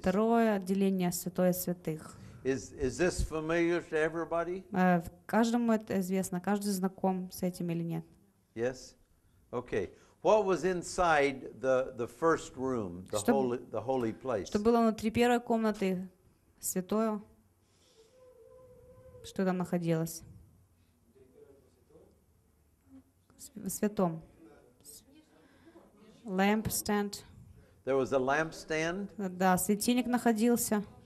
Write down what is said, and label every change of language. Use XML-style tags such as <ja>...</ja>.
<ru>Второе отделение святое святых.</ru> <en>Is this familiar to everybody?</en> <ru>Каждому это известно. Каждый знаком с этим или нет?</ru> <en>Yes. Okay. What was inside the first room, the holy place?</en> <ru>Что было внутри первой комнаты святое? Что там находилось? Святом.</ru> <en>Lamp stand. There was a lamp stand.</en> <ru>Да, светильник находился.</ru>